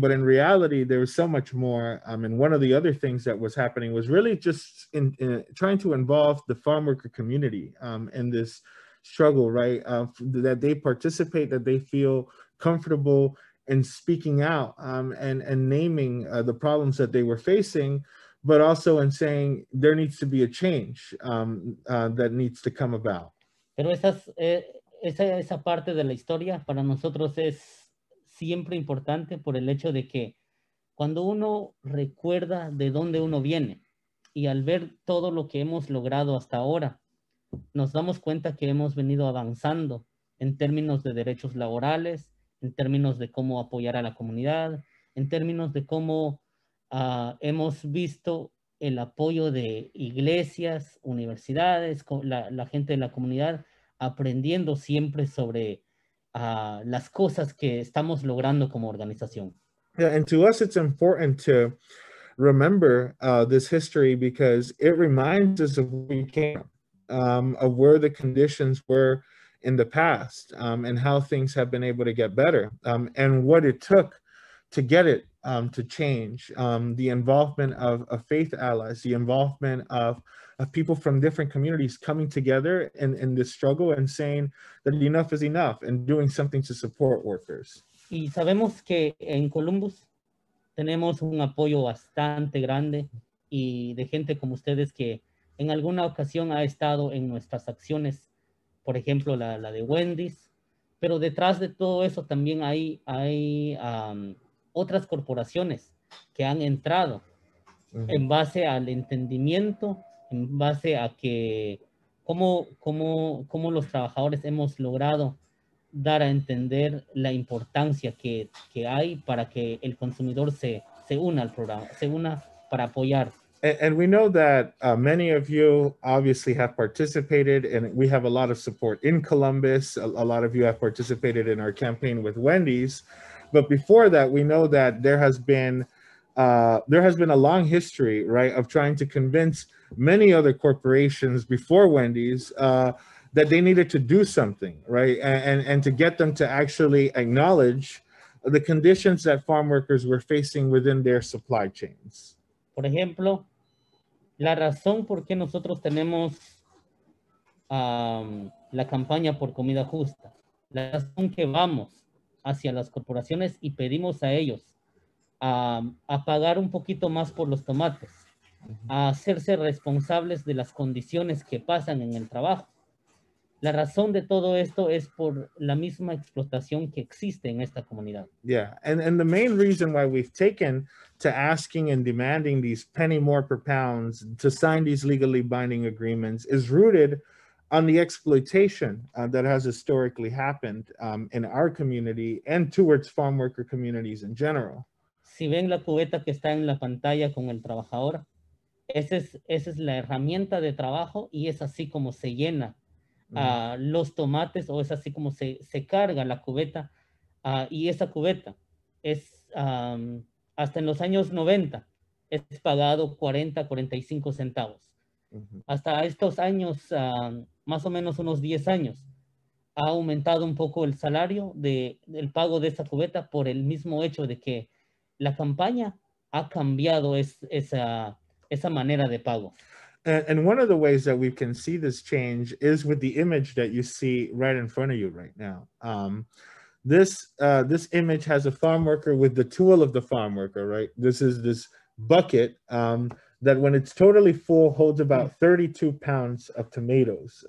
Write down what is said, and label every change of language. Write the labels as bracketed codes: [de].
[en] But in reality, there was so much more. And one of the other things that was happening was really just in trying to involve the farm worker community in this struggle, right? That they participate, that they feel comfortable in speaking out and naming the problems that they were facing. But also in saying there needs to be a change that needs to come about. [es] Pero esa parte de la historia para nosotros es siempre importante por el hecho de que cuando uno recuerda de dónde uno viene y al ver todo lo que hemos logrado hasta ahora, nos damos cuenta que hemos venido avanzando en términos de derechos laborales, en términos de cómo apoyar a la comunidad, en términos de cómo hemos visto el apoyo de iglesias, universidades, la gente de la comunidad, aprendiendo siempre sobre las cosas que estamos logrando como organización. [en] Yeah, and to us, it's important to remember this history because it reminds us of where we came from, of where the conditions were in the past, and how things have been able to get better, and what it took to get it to change. The involvement of faith allies, the involvement of people from different communities coming together in this struggle and saying that enough is enough and doing something to support workers. [es] Y sabemos que en Columbus tenemos un apoyo bastante grande y de gente como ustedes que en alguna ocasión ha estado en nuestras acciones, por ejemplo, la de Wendy's, pero detrás de todo eso también hay otras corporaciones que han entrado en base al entendimiento, en base a que cómo los trabajadores hemos logrado dar a entender la importancia que hay para que el consumidor se una al programa, se una para apoyar. [en] And we know that many of you obviously have participated, and we have a lot of support in Columbus. A lot of you have participated in our campaign with Wendy's. But before that, we know that there has been a long history, right, of trying to convince many other corporations before Wendy's that they needed to do something, right, and to get them to actually acknowledge the conditions that farm workers were facing within their supply chains. [es] Por ejemplo, la razón por qué nosotros tenemos la campaña por comida justa, la razón que vamos hacia las corporaciones y pedimos a ellos a pagar un poquito más por los tomates, a hacerse responsables de las condiciones que pasan en el trabajo. La razón de todo esto es por la misma explotación que existe en esta comunidad. [en] Yeah, and the main reason why we've taken to asking and demanding these penny more per pounds to sign these legally binding agreements is rooted on the exploitation that has historically happened in our community and towards farm worker communities in general. [es] Si ven la cubeta que está en la pantalla con el trabajador, esa es la herramienta de trabajo y es así como se llena los tomates, o es así como se carga la cubeta, y esa cubeta es hasta en los años 90 es pagado 40, 45 centavos. Hasta estos años, más o menos unos 10 años, ha aumentado un poco el salario del pago de esta cubeta por el mismo hecho de que la campaña ha cambiado esa manera de pago. [en] And one of the ways that we can see this change is with the image that you see right in front of you right now. This image has a farm worker with the tool of the farm worker, right? This is this bucket that when it's totally full holds about 32 pounds of tomatoes.